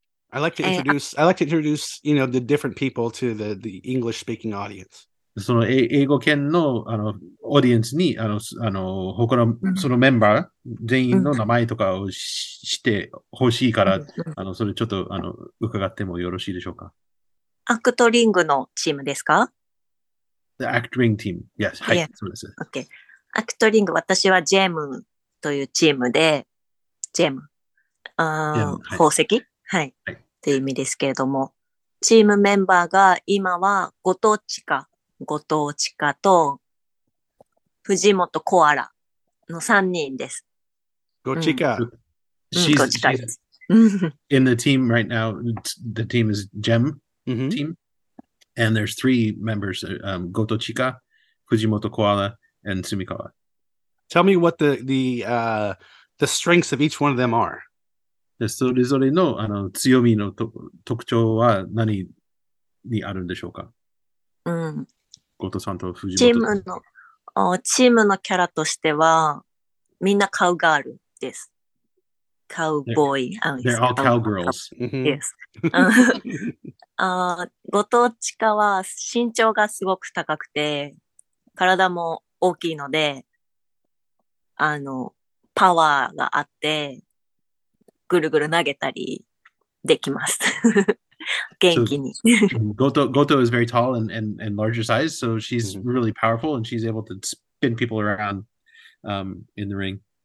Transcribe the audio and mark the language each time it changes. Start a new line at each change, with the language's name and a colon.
English: I like to introduce, you know, the different people to the English speaking audience.
Japanese: その英語圏の、オーディエンスに、他の、そのメンバー全員の名前とかをしてほしいから、それちょっと、伺ってもよろしいでしょうか？アクトリングのチームですか？
English: The Act Ring Team. Yes.
Japanese: はい。
English: Yeah.
Japanese: そうです。 Okay. アクトリング、私はジェームというチームで、ジェーム。宝石？はい。という意味ですけれども、チームメンバーが今はご当地か、後藤ちかと藤本コアラの3人です。ごちか。ごちか。
English: In the team right now, the team is Gem、team, and there's three members: 後藤ちか、藤本コアラ、and 住川。 Tell me what the strengths of each one of them are.
Japanese: それぞれの、あの、強みの特徴は何にあるんでしょうか？うん。後藤さんと藤本さん。チームのキャラとしては、みんなカウガールです。カウボーイ。
English: They're all cowgirls. Yes.
Japanese: 後藤ちかは身長がすごく高くて、体も大きいので、あの、パワーがあって、ぐるぐる投げたりできます。元気に。
English: Goto is very tall and larger size, so she's really powerful and she's able to spin people around in the ring.